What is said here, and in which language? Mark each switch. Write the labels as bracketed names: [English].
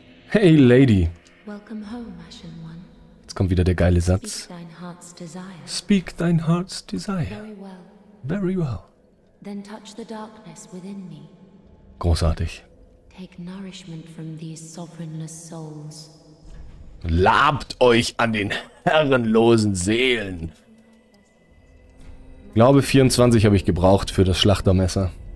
[English] Hey, Lady. Welcome home, Ashen One. [German] Jetzt kommt wieder der geile Satz. [English] Speak thine heart's desire. Speak thine heart's desire. Very well. Very well. Then touch the darkness within me. [German] Großartig. [English] Take nourishment from these sovereignless souls. [German] Labt euch an den herrenlosen Seelen. Glaube 24 habe ich gebraucht für das Schlachtermesser.